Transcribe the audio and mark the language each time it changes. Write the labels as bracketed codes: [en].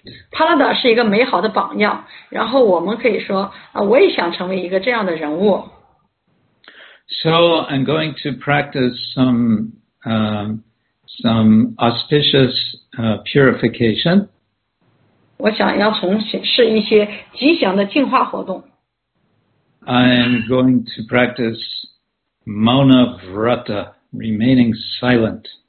[zh] Prahlad 是一个美好的榜样，然后我们可以说，我也想成为一个这样的人物。 [en] So I'm going to practice some auspicious purification. [zh] 我想要从事一些吉祥的净化活动。 [en] I'm going to practice Mauna Vrata, remaining silent.